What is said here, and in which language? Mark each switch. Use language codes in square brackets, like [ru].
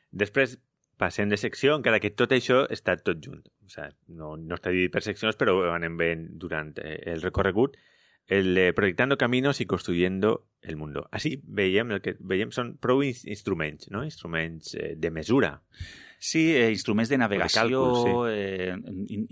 [ca] Després passem de secció, encara que tot això està tot junt. O sigui, no està dividit per seccions, però anem bé durant el recorregut. [es] El projectando caminos y construyendo el mundo. [ca] Así veiem, el que veiem són prou instruments, no? Instruments de mesura. Sí, instruments de navegació, de càlcul, sí.